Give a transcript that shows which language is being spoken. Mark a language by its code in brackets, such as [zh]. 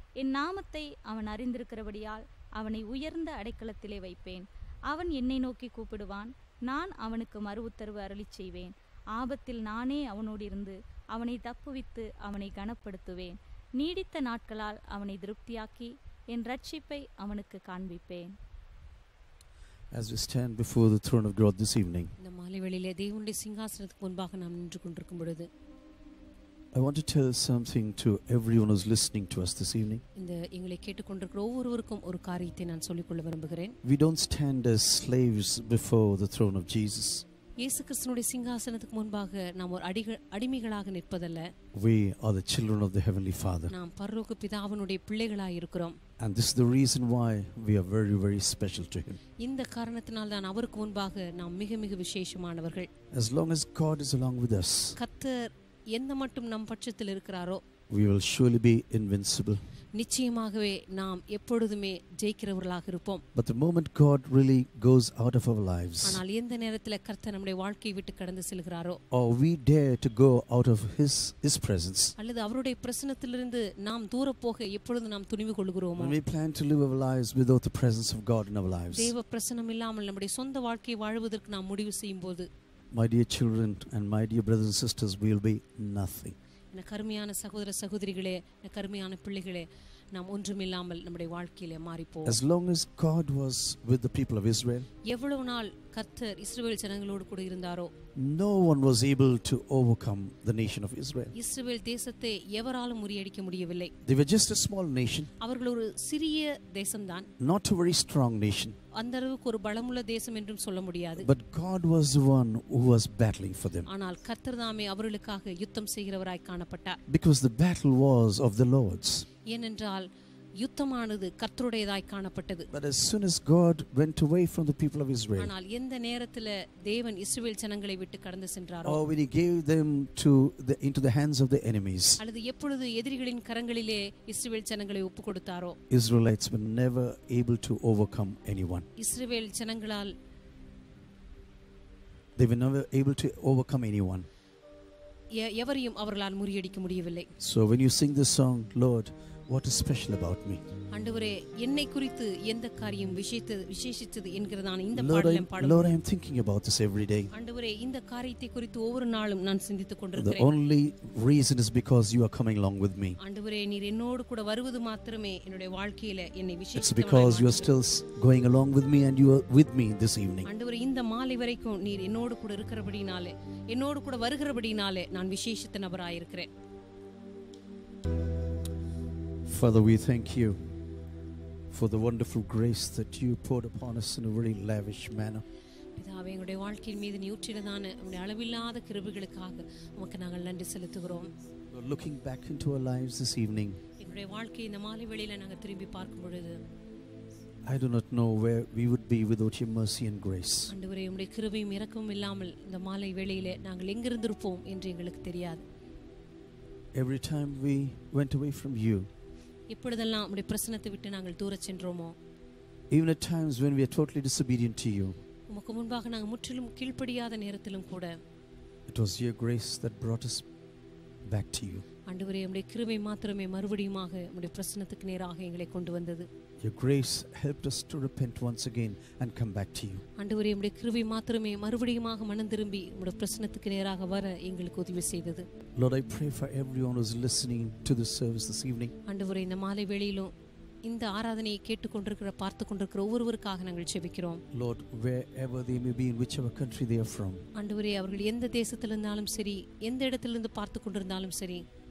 [ta] என் நாமத்தை அவன் அறிந்திருக்கிறபடியால் அவனை உயர்ந்த அடைக்கலத்திலே வைப்பேன். அவன் என்னை நோக்கி கூப்பிடுவான், நான் அவனுக்கு மறு உத்தரவு அருளி செய்வேன். ஆபத்தில் நானே அவனோடு இருந்து அவனை தப்புவித்து அவனை கனப்படுத்துவேன். நீடித்த நாட்களால் அவனை திருப்தியாக்கி என் ரட்சிப்பை அவனுக்கு காண்பிப்பேன். [en] As we stand before the throne of God this evening, [ta] இந்த மாலை வேளையில் தேவனுடைய சிங்காசனத்துக்கு முன்பாக நாம் நின்று கொண்டிருக்கும் பொழுது, [en] I want to tell something to everyone who's listening to us this evening. [ta] இந்த எங்களை கேட்டுக்கொண்டிருக்கிற ஒவ்வொருவருக்கும் ஒரு காரியத்தை நான் சொல்லிக் கொள்ள விரும்புகிறேன். [en] We don't stand as slaves before the throne of Jesus. [ta] இயேசு கிறிஸ்துவின் சிங்காசனத்துக்கு முன்பாக நாம் ஒரு அடிமைகளாக நிற்பதல்ல. [en] We are the children of the heavenly father. [ta] நாம் பரலோக பிதாவினுடைய பிள்ளைகளாக இருக்கிறோம். [en] And this is the reason why we are very, very special to him. [ta] இந்த காரணத்தினால் தான் அவருக்கு முன்பாக நாம் மிக மிக விசேஷமானவர்கள். [en] As long as God is along with us, [ta] கர்த்தர் என்ன மட்டும் நம் பட்சத்தில் இருக்கிறாரோ, [en] we will surely be invincible. [ta] நிச்சயமாகவே நாம் எப்பொழுதுமே ஜெயிக்கிறவர்களாக இருப்போம். [en] But the moment God really goes out of our lives, [ta] ஆனால் எந்த நேரத்தில் கர்த்தர் நம்முடைய வாழ்க்கையை விட்டு கடந்து செல்கிறாரோ, [en] or we dare to go out of his presence, [ta] அல்லது அவருடைய பிரசன்னத்திலிருந்து நாம் தூர போக எப்பொழுது நாம் துணிவு கொள்கிறோமோ, [en] we plan to live our lives without the presence of God in our lives, [ta] தேவ பிரசன்னம் இல்லாமல் நம்முடைய சொந்த வாழ்க்கையை வாழ்வதற்கு நாம் முடிவு செய்யும் போது, [en] my dear children and my dear brothers and sisters, we will be nothing. [ta] கருமையான சகோதர சகோதரிகளே, கருமையான பிள்ளைகளே, நாம் ஒன்றுமில்லாமல் நம்முடைய வாழ்க்கையிலே மாறிப்போம். [en] As long as God was with the people of Israel, [ta] எவ்வளவு நாள் கர்த்தர் இஸ்ரவேல் ஜனங்களோடு கூட இருந்தாரோ, [en] no one was able to overcome the nation of Israel. [ta] இஸ்ரவேல் தேசத்தை எவராலும் முறியடிக்க முடியவில்லை. [en] They were just a small nation. [ta] அவர்கள் ஒரு சிறிய தேசம்தான். [en] Not a very strong nation. [ta] அந்த அளவுக்கு ஒரு பலமுள்ள தேசம் என்றும் சொல்ல முடியாது. [en] But God was the one who was battling for them. [ta] ஆனால் கர்த்தர் தாமே அவர்களுக்காக யுத்தம் செய்கிறவராய் காணப்பட்டார். [en] Because the battle was of the Lord's. [ta] ஏனென்றால் யுத்தமானது கர்த்தருடையதாய் காணப்பட்டது. [en] But as soon as God went away from the people of Israel, [ta] ஆனால் எந்த நேரத்தில் தேவன் இஸ்ரவேல் ஜனங்களை விட்டு கடந்து சென்றாரோ, [en] or when he gave them into the hands of the enemies, [ta] அல்லது எப்பொழுது எதிரிகளின் கரங்களிலே இஸ்ரவேல் ஜனங்களை ஒப்புக் கொடுத்தாரோ, [en] Israelites were never able to overcome anyone. [ta] Israel ஜனங்களால் [en] they were never able to overcome anyone. [ta] எவரையும் அவர்களால் முறியடிக்க முடியவில்லை. [en] So when you sing this song, Lord, What is special about me? [ta] ஆண்டவரே என்னை குறித்து எந்த காரியம் விசேஷித்தது என்கிறதான இந்த பாடலம் பாடு. [en] Lord, I am thinking about this every day. [ta] ஆண்டவரே இந்த காரியத்தை குறித்து ஒவ்வொரு நாளும் நான் சிந்தித்துக் கொண்டிருக்கிறேன். [en] The only reason is because you are coming along with me. [ta] ஆண்டவரே நீர் என்னோடு கூட வருவது மட்டுமே என்னுடைய வாழ்க்கையில என்னை விசேஷித்தது. [en] It's because you are still going along with me and you are with me this evening. [ta] ஆண்டவரே இந்த மாலை வரைக்கும் நீர் என்னோடு கூட இருக்கிறபடியினாலே என்னோடு கூட வருகிறபடியினாலே நான் விசேஷித்த நபராய் இருக்கிறேன். [en] Father, we thank you for the wonderful grace that you poured upon us in a really lavish manner. [ta] பிதாவே, எங்களுடைய வாழ்க்கையின் மீது நீர் உற்றிருந்தான உம்முடைய அளவில்லாத கிருபைகளுக்காக உமக்கு நாங்கள் நன்றி செலுத்துகிறோம். [en] We're looking back into our lives this evening. [ta] எங்களுடைய வாழ்க்கையை இந்த மாலை வேளையில நாங்கள் திரும்பி பார்க்கும் பொழுது [en] I do not know where we would be without your mercy and grace. [ta] ஆண்டவரே, உம்முடைய கிருபையும் இரக்கமும் இல்லாமல் இந்த மாலை வேளையில நாங்கள் எங்கிருந்திருப்போம் என்று எங்களுக்கு தெரியாது. [en] Every time we went away from you, [ta] எப்பொழுதெல்லாம் உம்முடைய பிரசன்னத்தை விட்டு நாங்கள் தூர சென்றோமோ, [en] even at times when we are totally disobedient to you, [ta] உமக்கு முன்பாக நாங்கள் முற்றிலும் கீழ்ப்படியாத நேரத்திலும் கூட, [en] it was your grace that brought us back to you. [ta] ஆண்டவரே, உம்முடைய கிருபை மாத்திரமே மறுபடியும் உம்முடைய பிரசன்னத்துக்கு நேராக எங்களை கொண்டு வந்தது. [en] Your grace helped us to repent once again and come back to you. [ta] ஆண்டவரே, உம்முடைய கிருபை மாத்திரமே மறுபடியும் மனம் திரும்பி உம்முடைய பிரசன்னத்துக்கு நேராக வர எங்களுக்கு உதவி செய்தது. [en] Lord, I pray for everyone who is listening to this service this evening. [ta] ஆண்டவரே, இந்த மாலை வேளையிலும் இந்த ஆராதனையை கேட்டுக்கொண்டிருக்கிற பார்த்துக்கொண்டிருக்கிற ஒவ்வொருவருக்காக நாங்கள் ஜெபிக்கிறோம். [en] Lord, wherever they may be, in whichever country they are from. [ta] ஆண்டவரே, அவர்கள் எந்த தேசத்திலிருந்தாலும் சரி, எந்த இடத்திலிருந்து பார்த்துக்கொண்டிருந்தாலும் சரி,